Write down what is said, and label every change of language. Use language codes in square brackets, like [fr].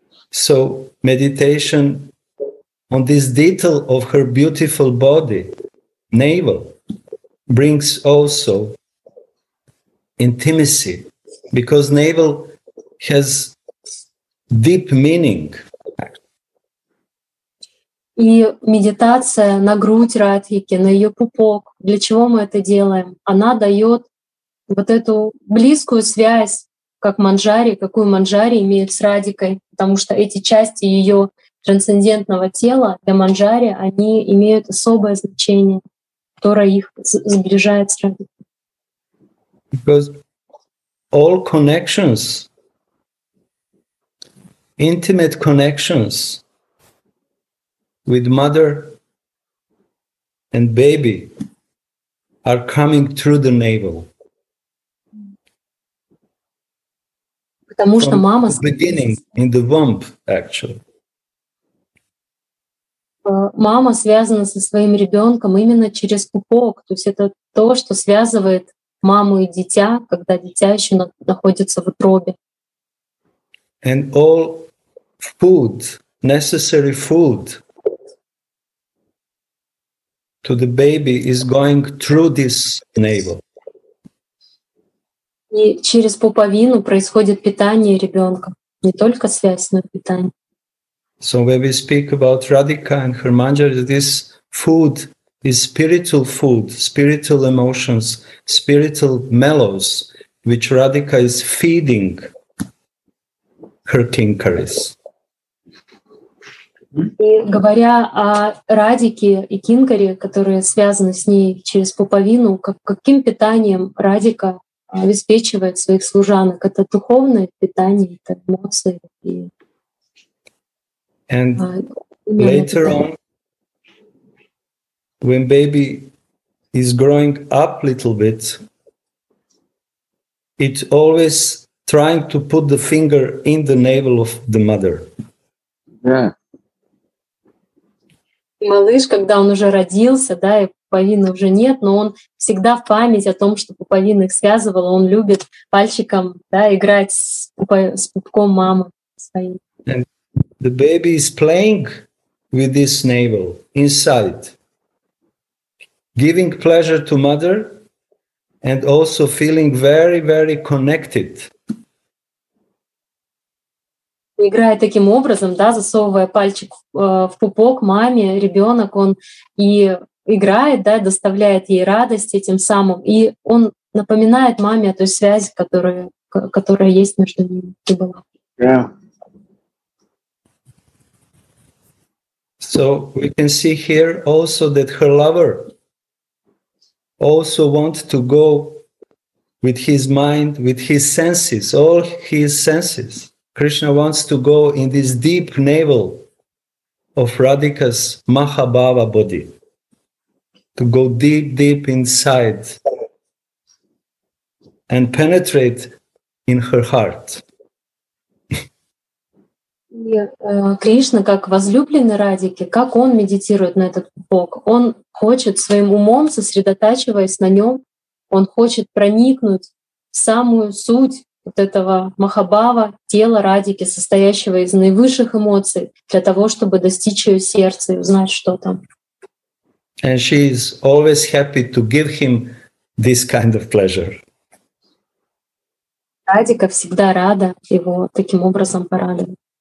[en] So meditation on this detail of her beautiful body, navel, brings also intimacy, because navel has deep meaning. [ru] И медитация на грудь Радхики, на ее пупок. Для чего мы это делаем? Она дает вот эту близкую связь, как Манджари, какую Манджари имеет с Радхикой, потому что эти части ее трансцендентного тела для Манджари, они имеют особое значение, которое их сближает с Радхикой. [en] Because all connections, intimate connections with mother and baby are coming through the navel. [ru] Потому что мама с [en] beginning in the womb, actually. [ru] Мама связана со своим ребенком именно через пупок. То есть это то, что связывает маму и дитя, когда дитя еще находится в утробе. [en] And all food, necessary food to the baby is going through this navel. [ru] И через пуповину происходит питание ребенка, не только связь, но и питание. [en] So when we speak about Radhika and her manjari, this food is spiritual food, spiritual emotions, spiritual mellows, which Radhika is feeding her kinkaris. [ru] И говоря о Радхике и кинкаре, которые связаны с ней через пуповину, каким питанием Радхика обеспечивает своих служанок? Это духовное питание, это эмоции. И [en] And later on, when baby is growing up a little bit, it's always trying to put the finger in the navel of the mother. Yeah. [ru] Малыш, когда он уже родился, да, и пуповины уже нет, но он всегда в память о том, что пуповина их связывала, он любит пальчиком, да, играть с пупком мамы своей. [en] The baby is playing with this navel inside, giving pleasure to mother and also feeling very, very connected. [ru] Играя таким образом, да, засовывая пальчик в пупок маме, ребенок, он и играет, да, доставляет ей радость этим самым, и он напоминает маме о той связи, которая есть между ними и была. [en] Yeah. So we can see here also that her lover also wants to go with his mind, with his senses, all his senses. Krishna wants to go in this deep navel of Radhika's Mahabhava body, to go deep, deep inside and penetrate in her heart. [ru] И Кришна, как возлюбленный Радхики, как он медитирует на этот пупок? Он хочет своим умом, сосредотачиваясь на нем, он хочет проникнуть в самую суть вот этого Махабхава, тела Радхики, состоящего из наивысших эмоций, для того, чтобы достичь ее сердца и узнать, что там. [en] And she is always happy to give him this kind of pleasure. [ru] Радхика всегда рада его таким образом порадовать.